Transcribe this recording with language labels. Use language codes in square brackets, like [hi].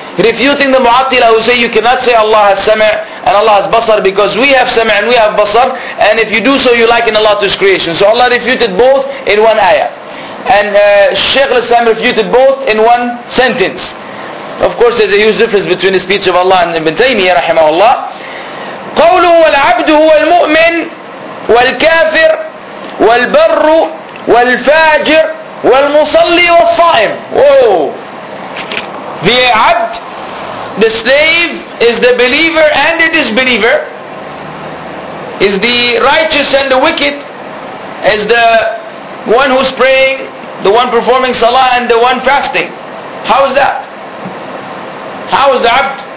[en] Refuting the mu'attila who say you cannot say Allah has sam' and Allah has basar, because we have sam' and we have basar, and if you do so you liken Allah to his creation. So Allah refuted both in one ayah. And Shaykh al-Islam refuted both in one sentence. Of course there's a huge difference between the speech of Allah and Ibn Taymiyyah rahimahullah. [ar] قوله والعبد هو المؤمن والكافر والبر والفاجر والمصلي والصائم. [en] The abd, the slave, is the believer and the disbeliever, is the righteous and the wicked, is the one who's praying, the one performing salah, and the one fasting. How is that? How is the abd?